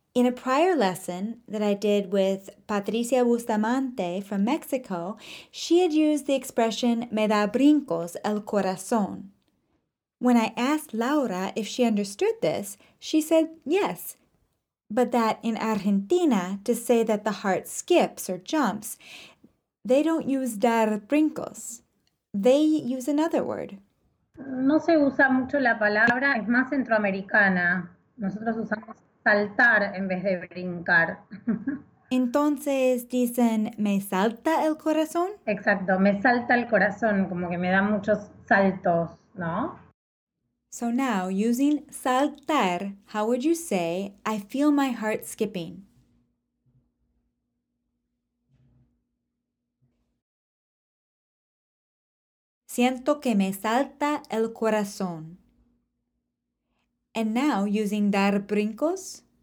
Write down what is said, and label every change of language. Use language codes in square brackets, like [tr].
[en] In a prior lesson that I did with Patricia Bustamante from Mexico, she had used the expression [es] me da brincos el corazón. [en] When I asked Laura if she understood this, she said yes, but that in Argentina, to say that the heart skips or jumps, they don't use [es] dar brincos. [en] They use another word. [es] No se usa mucho la palabra, es más centroamericana. Nosotros usamos saltar en vez de brincar. Entonces dicen, ¿me salta el corazón? Exacto, me salta el corazón, como que me da muchos saltos, ¿no? [en] So now, using saltar, how would you say, I feel my heart skipping? [es] Siento que me salta el corazón. [en] And now, using [es] dar brincos.